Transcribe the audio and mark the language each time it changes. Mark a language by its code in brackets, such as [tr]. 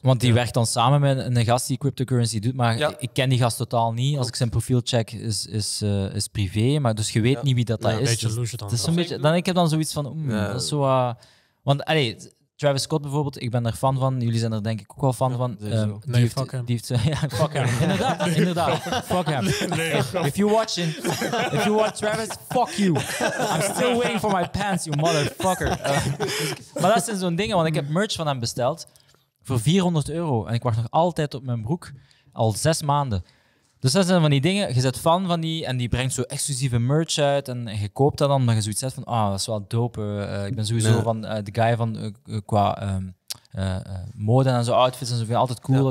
[nl] Want die werkt dan samen met een gast die cryptocurrency doet, maar ik ken die gast totaal niet. Als ik zijn profiel check, is privé, maar dus je weet niet wie dat is. Een beetje dus, dan. Is een beetje, dan ik heb dan zoiets van... dat is zo... want, allee... Travis Scott bijvoorbeeld, ik ben er fan van. Jullie zijn er denk ik ook wel fan van. Fuck hem. Inderdaad. Fuck hem. [en] If you watch Travis, fuck you. I'm still waiting for my pants, you motherfucker. [nl] Maar dat zijn zo'n dingen, want ik heb merch van hem besteld voor €400. En ik wacht nog altijd op mijn broek, al 6 maanden. Dus dat zijn van die dingen, je zet fan van die en die brengt zo exclusieve merch uit en je koopt dat dan, maar je zoiets zet van, dat is wel dope. Ik ben sowieso van de guy van qua mode en zo, outfits en zo, vind ik altijd cool. Ja.